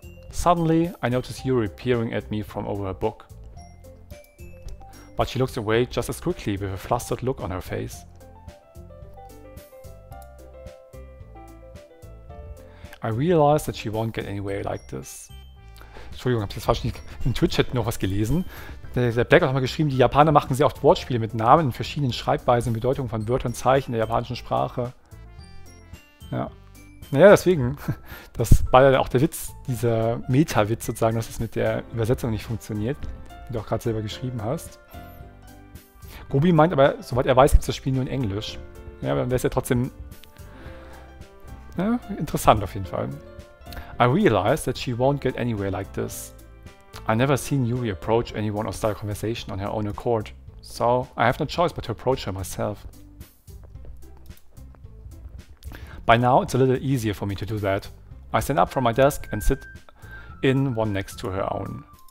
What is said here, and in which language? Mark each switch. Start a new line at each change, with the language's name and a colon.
English: Suddenly, I notice Yuri peering at me from over her book. But she looks away just as quickly with a flustered look on her face. I realize that she won't get anywhere like this.
German: Entschuldigung, hab ich das wahrscheinlich im Twitch-Chat noch was gelesen? Der Blackout hat mal geschrieben, die Japaner machen sehr oft Wortspiele mit Namen in verschiedenen Schreibweisen und Bedeutungen von Wörtern und Zeichen der japanischen Sprache. Ja. Naja, deswegen. Das war ja auch der Witz, dieser Meta-Witz sozusagen, dass es mit der Übersetzung nicht funktioniert, wie du auch gerade selber geschrieben hast. Gobi meint aber, soweit er weiß, gibt es das Spiel nur in Englisch. Ja, aber dann wäre es ja trotzdem... Ja, interessant auf jeden Fall.
English: I realize that she won't get anywhere like this. I never seen Yuri approach anyone or start a conversation on her own accord. So, I have no choice but to approach her myself. By now, it's a little easier for me to do that. I stand up from my desk and sit in one next to her own.